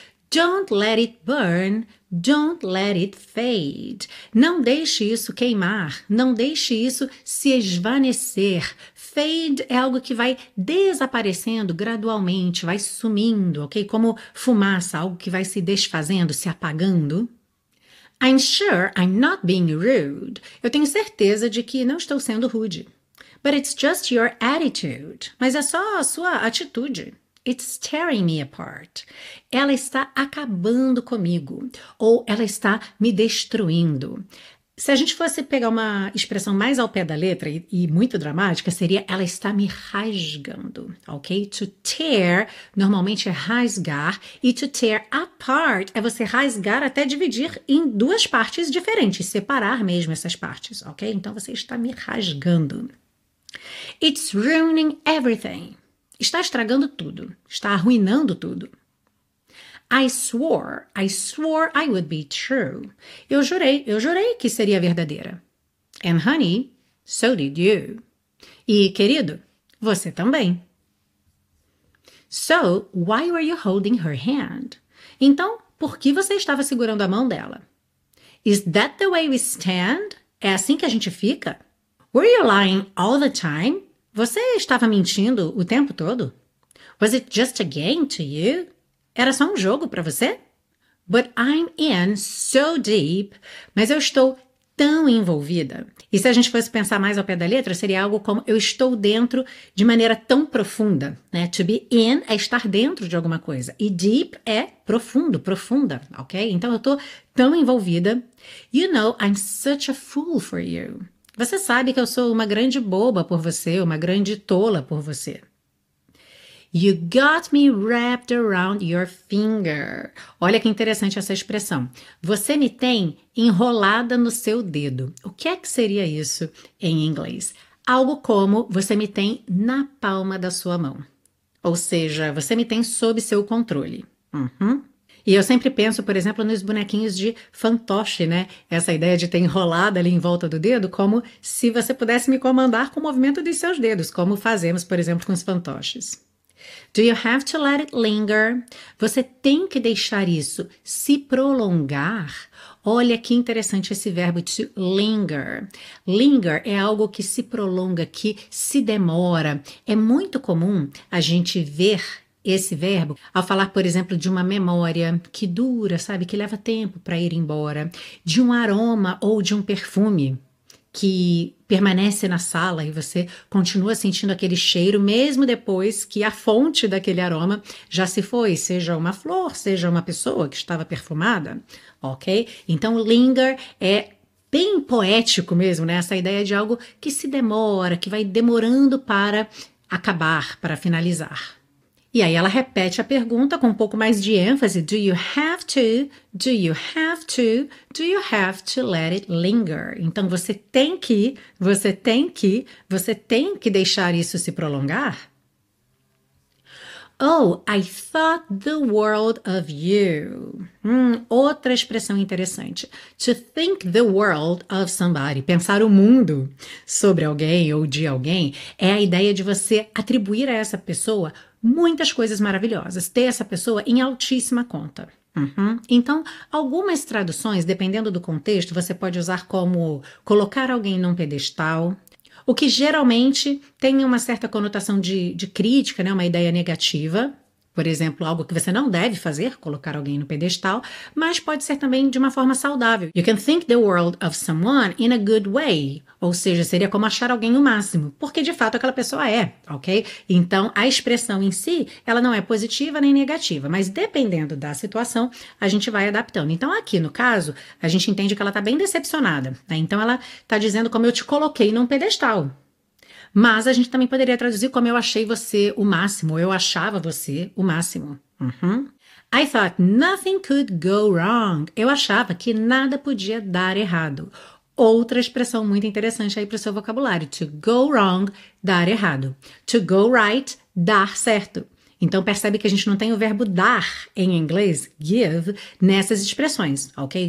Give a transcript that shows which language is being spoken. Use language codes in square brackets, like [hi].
[en] Don't let it burn. Don't let it fade. [pt] Não deixe isso queimar. Não deixe isso se esvanecer. Fade é algo que vai desaparecendo gradualmente, vai sumindo, ok? Como fumaça, algo que vai se desfazendo, se apagando. [en] I'm sure I'm not being rude. [pt] Eu tenho certeza de que não estou sendo rude. [en] But it's just your attitude. [pt] Mas é só a sua atitude. [en] It's tearing me apart. [pt] Ela está acabando comigo. Ou ela está me destruindo. Se a gente fosse pegar uma expressão mais ao pé da letra e muito dramática, seria ela está me rasgando, ok? To tear, normalmente é rasgar, e to tear apart é você rasgar até dividir em duas partes diferentes, separar mesmo essas partes, ok? Então você está me rasgando. [en] It's ruining everything. [pt] Está estragando tudo, está arruinando tudo. [en] I swore I would be true. [pt] Eu jurei que seria verdadeira. [en] And honey, so did you. [pt] E querido, você também. [en] So, why were you holding her hand? [pt] Então, por que você estava segurando a mão dela? [en] Is that the way we stand? [pt] É assim que a gente fica? [en] Were you lying all the time? [pt] Você estava mentindo o tempo todo? [en] Was it just a game to you? [pt] Era só um jogo para você? [en] But I'm in so deep. [pt] Mas eu estou tão envolvida. E se a gente fosse pensar mais ao pé da letra, seria algo como eu estou dentro de maneira tão profunda, né? To be in é estar dentro de alguma coisa. E deep é profundo, profunda, ok? Então, eu tô tão envolvida. [en] You know, I'm such a fool for you. [pt] Você sabe que eu sou uma grande boba por você, uma grande tola por você. [en] You got me wrapped around your finger. [pt] Olha que interessante essa expressão. Você me tem enrolada no seu dedo. O que é que seria isso em inglês? Algo como você me tem na palma da sua mão. Ou seja, você me tem sob seu controle. Uhum. E eu sempre penso, por exemplo, nos bonequinhos de fantoche, né? Essa ideia de ter enrolada ali em volta do dedo, como se você pudesse me comandar com o movimento dos seus dedos, como fazemos, por exemplo, com os fantoches. [en] Do you have to let it linger? [pt] Você tem que deixar isso se prolongar? Olha que interessante esse verbo to linger. Linger é algo que se prolonga, que se demora. É muito comum a gente ver esse verbo ao falar, por exemplo, de uma memória que dura, sabe, que leva tempo para ir embora, de um aroma ou de um perfume que permanece na sala e você continua sentindo aquele cheiro mesmo depois que a fonte daquele aroma já se foi, seja uma flor, seja uma pessoa que estava perfumada, ok? Então, linger é bem poético mesmo, né? Essa ideia de algo que se demora, que vai demorando para acabar, para finalizar. E aí ela repete a pergunta com um pouco mais de ênfase. [en] Do you have to, do you have to, do you have to let it linger? [pt] Então você tem que, você tem que, você tem que deixar isso se prolongar? [en] Oh, I thought the world of you. [pt] Outra expressão interessante. [en] To think the world of somebody. [pt] Pensar o mundo sobre alguém ou de alguém é a ideia de você atribuir a essa pessoa muitas coisas maravilhosas, ter essa pessoa em altíssima conta. Uhum. Então, algumas traduções, dependendo do contexto, você pode usar como colocar alguém num pedestal, o que geralmente tem uma certa conotação de crítica, né? Uma ideia negativa, por exemplo, algo que você não deve fazer, colocar alguém no pedestal, mas pode ser também de uma forma saudável. [en] You can think the world of someone in a good way. [pt] Ou seja, seria como achar alguém o máximo, porque de fato aquela pessoa é, ok? Então, a expressão em si, ela não é positiva nem negativa, mas dependendo da situação, a gente vai adaptando. Então, aqui no caso, a gente entende que ela está bem decepcionada, né? Então, ela está dizendo como eu te coloquei num pedestal. Mas a gente também poderia traduzir como eu achei você o máximo, ou eu achava você o máximo. Uhum. I thought nothing could go wrong. Eu achava que nada podia dar errado. Outra expressão muito interessante aí para o seu vocabulário. [en] To go wrong, [pt] dar errado. [en] To go right, [pt] dar certo. Então percebe que a gente não tem o verbo dar em inglês, give, nessas expressões, ok?